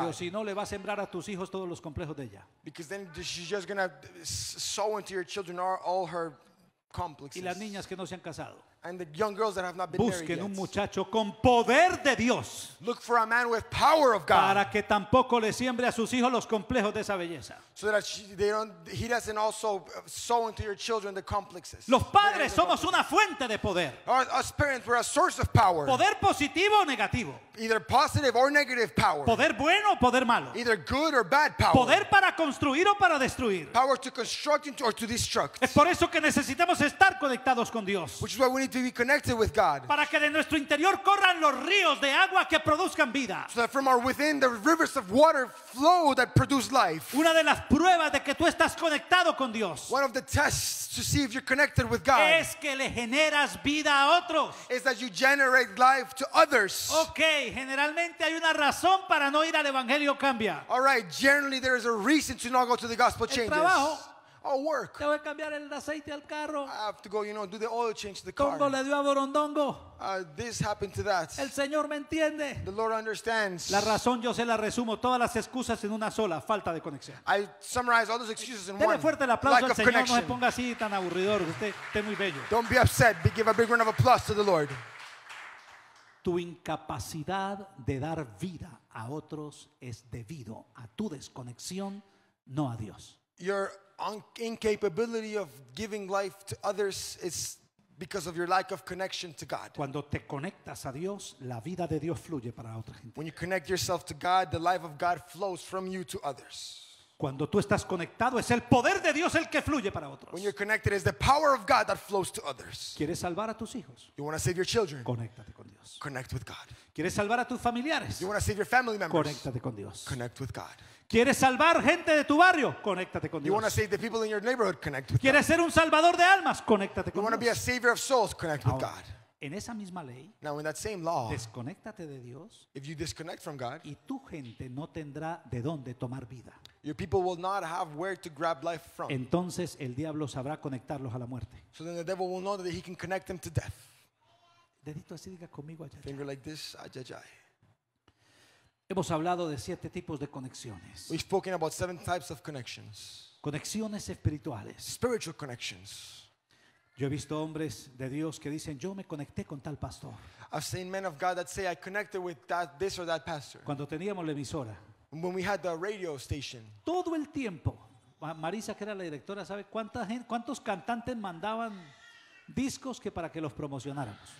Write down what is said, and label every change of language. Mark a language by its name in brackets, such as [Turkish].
[Spanish] Porque si no le va a sembrar a tus hijos todos los complejos de ella. [English] Because then she's just going to sow into your children all her complexes. [Spanish] Y las niñas que no se han casado. [English] And the young girls that have not been [Spanish] busquen [English] married [Spanish] un muchacho con poder de Dios. [English] Look for a man with power of God. [Spanish] Para que tampoco le siembre a sus hijos los complejos de esa belleza. [English] So that he doesn't also sow into your children the complexes. [Spanish] Los padres somos una fuente de poder. [English] Us parents were a source of power. [Spanish] Poder positivo o negativo. [English] Either positive or negative power. [Spanish] Poder bueno o poder malo. [English] Either good or bad power. [Spanish] Poder para construir o para destruir. [English] Power to construct or to destruct. [Spanish] Es por eso que necesitamos estar conectados con Dios. [English] Which is why we need to be connected with God. [Spanish] Para que de nuestro interior corran los ríos de agua que produzcan vida. [English] So that from our within the rivers of water flow that produce life. [Spanish] Una de las pruebas de que tú estás conectado con Dios. [English] One of the tests to see if you're connected with God. [Spanish] Es que le generas vida a otros. [English] Is that you generate life to others. Okay. [Spanish] Generalmente hay una razón para no ir al evangelio cambia. [English] All right, generally there is a reason to not go to the gospel changes. [Spanish] El trabajo. [English] Oh, work. [Spanish] Tengo que cambiar el aceite al carro. [English] I have to go, you know, do the oil change to the car. [Spanish] Le dio a borondongo. [English] This happened to that. [Spanish] El Señor me entiende. [English] The Lord understands. [Spanish] La razón yo se la resumo todas las excusas en una sola, falta de conexión. [English] I summarize all those excuses in [Spanish] Dele [English] one. [Spanish] Fuerte el aplauso al Señor, no se ponga así tan aburridor, usted es muy bello. [English] Don't be upset, give a big round of applause to the Lord. [Spanish] Tu incapacidad de dar vida a otros es debido a tu desconexión, no a Dios. [English] Your incapability of giving life to others is because of your lack of connection to God. [Spanish] Cuando te conectas a Dios, la vida de Dios fluye para otra gente. [English] When you connect yourself to God, the life of God flows from you to others. [Spanish] Cuando tú estás conectado, es el poder de Dios el que fluye para otros. [English] When you're connected, it's the power of God that flows to others. [Spanish] ¿Quieres salvar a tus hijos? [English] You want to save your children? [Spanish] Conéctate con Dios. [English] Connect with God. [Spanish] ¿Quieres salvar a tus familiares? [English] You want to save your family members? [Spanish] Conéctate con Dios. [English] Connect with God. [Spanish] ¿Quieres salvar gente de tu barrio? Conéctate con Dios. [English] You want to save the people in your neighborhood? Connect with [Spanish] ¿Quieres ¿Quieres ser un salvador de almas? Conéctate con [English] You want to be a savior of souls? Connect [Spanish] Ahora, [English] with God. [Spanish] En esa misma ley. [English] Now in that same law. [Spanish] Desconéctate de Dios. [English] If you disconnect from God. [Spanish] Y tu gente no tendrá de dónde tomar vida. [English] Your people will not have where to grab life from. [Spanish] Entonces el diablo sabrá conectarlos a la muerte. [English] So then the devil will know that he can connect them to death. [Spanish] Dedito así diga conmigo ayayay. [English] Finger like this, ayayay. [Spanish] Hemos hablado de siete tipos de conexiones. [English] We've spoken about seven types of connections. [Spanish] Conexiones espirituales. [English] Spiritual connections. [Spanish] Yo he visto hombres de Dios que dicen, yo me conecté con tal pastor. [English] I've seen men of God that say I connected with that, this or that pastor. [Spanish] Cuando teníamos la emisora. [English] When we had the radio station. [Spanish] Todo el tiempo. Marisa, que era la directora, ¿sabe cuántos cantantes mandaban discos que para que los promocionáramos?